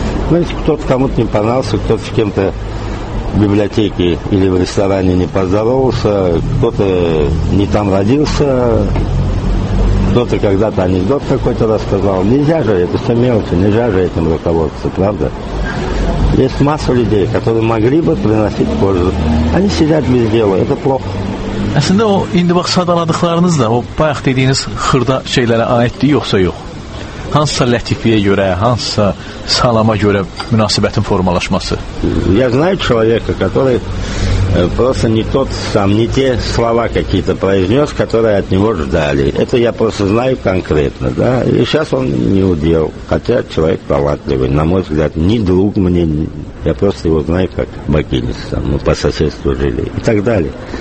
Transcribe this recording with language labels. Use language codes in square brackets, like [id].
[ru] Ну, если кто-то кому-то не понравился, кто-то с кем-то в библиотеке или в ресторане не поздоровался, кто-то не там родился, кто-то когда-то анекдот какой-то рассказал. Нельзя же, это все мелочи, нельзя же этим руководствоваться, правда? Есть масса людей, которые могли бы приносить пользу. Они сидят без дела, это плохо. [az] Aslında o indi bax sadaladıqlarınız da o bayaq dediyiniz xırda şeylərə aiddir yoxsa yox? Hansısa lətifiyə görə, hansısa salama görə münasibətin formalaşması? [ru] Я знаю человека, который просто не тот сам, не те слова какие-то произнес, которые от него ждали. Это я просто знаю конкретно, да. И сейчас он не удел. Хотя человек талантливый, на мой взгляд, не друг мне. Я просто его знаю как бакиниста. Мы по соседству жили и так далее.